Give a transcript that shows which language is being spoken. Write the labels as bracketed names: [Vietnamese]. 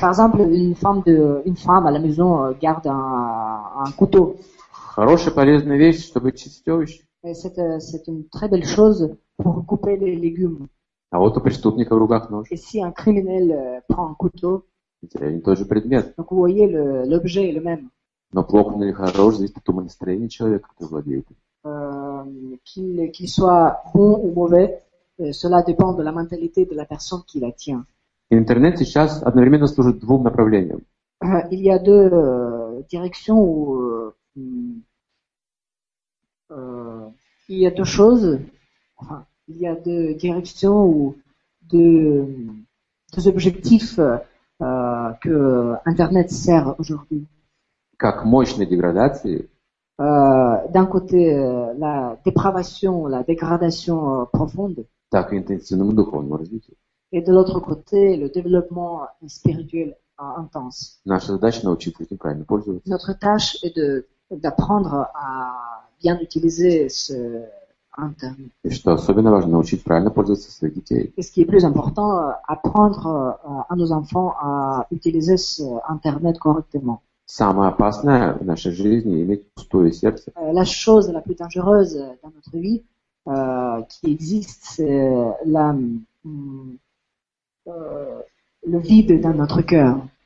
[French] Par exemple, une femme à la maison garde un couteau. [Russian] Хорошая полезная вещь, чтобы чистить овощи. [French] C'est une très belle chose pour couper les légumes. [Russian] А вот у преступника в руках нож. [French] Et si un criminel prend un couteau. [Russian] Это один и тот же предмет. [French] Donc vous voyez l'objet est le même. [Russian] Но плохо или хорошо зависит от ума настроения человека, который владеет. [French] Qu'il soit bon ou mauvais, cela dépend de la mentalité de la personne qui la tient. [Russian] Internet сейчас одновременно служит двум направлениям. [French] Il y a deux directions où il y a deux choses. Enfin, il y a deux directions ou deux objectifs que Internet sert aujourd'hui. [Russian] Как мощной деградации. [French] D'un côté, la dépravation, la dégradation profonde. [Russian] Так и интенсивному духовному развитию. [French] Et de l'autre côté, le développement spirituel intense. [Russian] Наша задача научиться этим правильно пользоваться. [French] Notre tâche est d'apprendre à bien utiliser ce Internet. [Russian] Et что особенно важно, научить правильно пользоваться своих детей. [French] Et ce qui est plus important, apprendre à nos enfants à utiliser ce Internet correctement. [Russian] Самое опасное в нашей жизни иметь пустое сердце. [French] La chose la plus dangereuse dans notre vie qui existe, c'est le vide dans notre cœur.